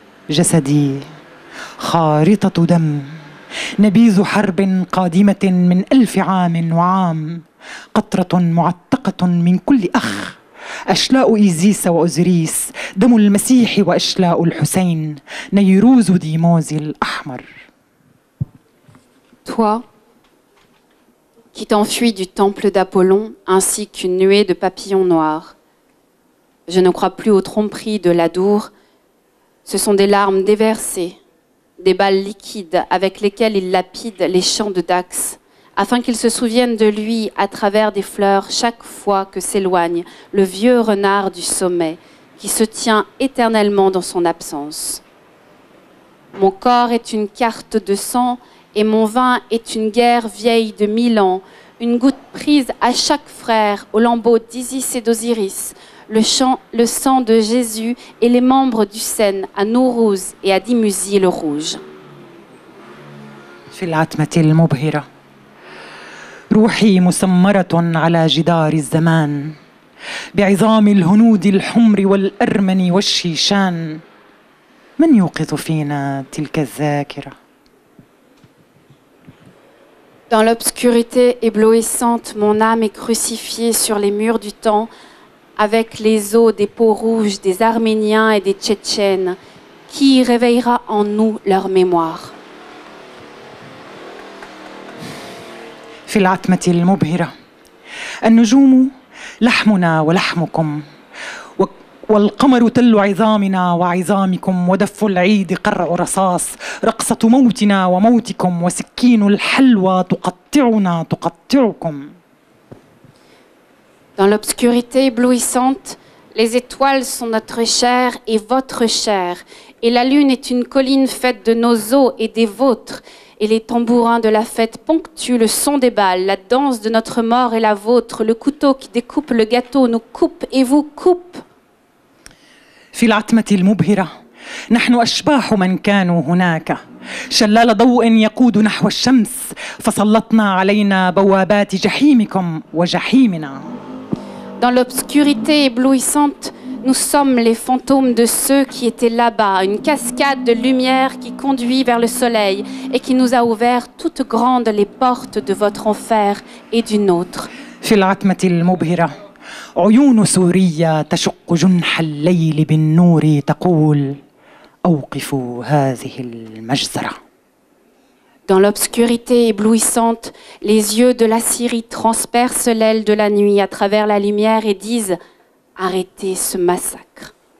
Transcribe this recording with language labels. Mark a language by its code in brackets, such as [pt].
[ar] جسدي خارطة دم نبيذ حرب قادمة من ألف عام وعام قطرة معتقة من كل أخ أشلاء إيزيس وأوزريس دم المسيح وأشلاء الحسين نيروز ديموز الأحمر. [fr] Toi qui t'enfuis du temple d'Apollon ainsi qu'une nuée de papillons noirs, je ne crois plus aux tromperies de l'Adour, ce sont des larmes déversées, des balles liquides avec lesquelles il lapide les champs de Dax, afin qu'il se souvienne de lui à travers des fleurs chaque fois que s'éloigne le vieux renard du sommet qui se tient éternellement dans son absence. Mon corps est une carte de sang et mon vin est une guerre vieille de 1000 ans, une goutte prise à chaque frère au lambeau d'Isis et d'Osiris, le sang de Jésus et les membres du Sen à Nourouz et à Dimuzi le Rouge. [ar] في العتمة المبهرة روحي مسمرة على جدار الزمان بعظام الهنود الحمر والأرمن والشيشان من يوقظ فينا تلك الذاكرة. [fr] Dans l'obscurité éblouissante, mon âme est crucifiée sur les murs du temps avec les os des peaux rouges des Arméniens et des Tchétchènes, qui réveillera en nous leur mémoire. [ar] في العتمة المبهرة النجوم لحمنا ولحمكم والقمر تل عظامنا وعظامكم ودف العيد قرع رصاص رقصة موتنا وموتكم وسكين الحلوى تقطعنا تقطعكم. [fr] Dans l'obscurité éblouissante, les étoiles sont notre chair et votre chair, et la lune est une colline faite de nos os et des vôtres. Et les tambourins de la fête ponctuent le son des balles, la danse de notre mort et la vôtre, le couteau qui découpe le gâteau nous coupe et vous coupe. [ar] في العتمة المبهرة نحن أشباح من كانوا هناك شلال ضوء يقود نحو الشمس فسلطنا علينا بوابات جحيمكم وجحيمنا. [fr] Dans l'obscurité éblouissante, nous sommes les fantômes de ceux qui étaient là-bas, une cascade de lumière qui conduit vers le soleil et qui nous a ouvert toutes grandes les portes de votre enfer et du nôtre. [ar] في العتمة المبهرة عيون سوريا تشق جنح الليل بالنور تقول أوقفوا هذه المجزرة. [fr] Dans l'obscurité éblouissante, les yeux de la Syrie transpercent l'aile de la nuit à travers la lumière et disent « Arrêtez ce massacre ».